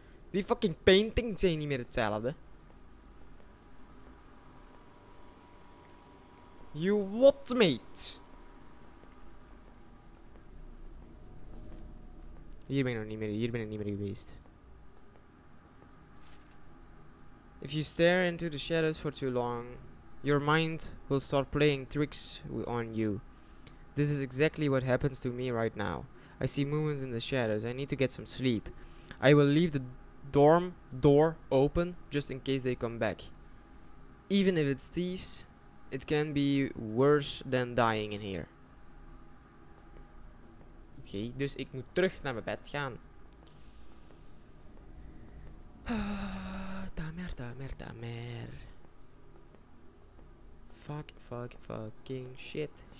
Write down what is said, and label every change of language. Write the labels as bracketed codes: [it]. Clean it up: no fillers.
[nl] Die fucking painting zijn niet meer hetzelfde. [en] You what, mate? [nl] Hier ben ik niet meer geweest. [en] If you stare into the shadows for too long, your mind will start playing tricks on you. This is exactly what happens to me right now. I see movements in the shadows. I need to get some sleep. I will leave the dorm door open just in case they come back. Even if it's thieves, it can be worse than dying in here. [nl] Okay, dus ik moet terug naar mijn bed gaan. Da merda. Merda. [en] Fucking shit.